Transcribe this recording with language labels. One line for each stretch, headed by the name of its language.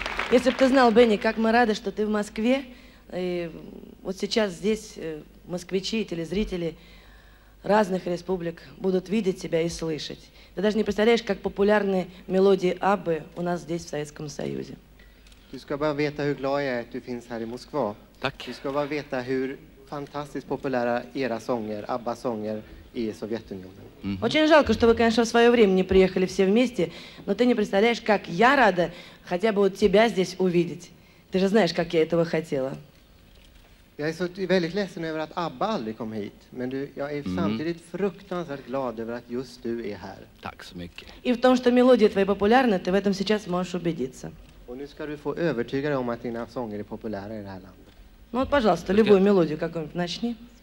Russian: Если бы ты знал, Бенни, как мы рады, что ты в Москве. И вот сейчас здесь москвичи и телезрители разных республик будут видеть тебя и слышать. Ты даже не представляешь, как популярны мелодии Аббы у нас здесь, в Советском Союзе.
Swedish: Du ska bara veta hur glad jag är att du finns här i Moskva. Tack. Du ska bara veta hur fantastiskt populära era sånger, ABBA-sånger, i Sovjetunionen. Mm-hmm.
Russian: Очень жалко, что вы, конечно, в свое время не приехали все вместе, но ты не представляешь, как я рада хотя бы вот тебя здесь увидеть. Ты же знаешь, как я этого хотела.
Swedish: Jag är så väldigt ledsen över att ABBA aldrig kom hit, men du, jag är samtidigt fruktansvärt glad över att just du är här. Tack så mycket.
Russian: И в том, что мелодии твои популярны, ты в этом сейчас можешь убедиться.
Swedish: Och nu ska du få övertyga dig om att dina sånger är populära i det här landet.
Russian: Ну вот, пожалуйста, любую мелодию какую-нибудь начни.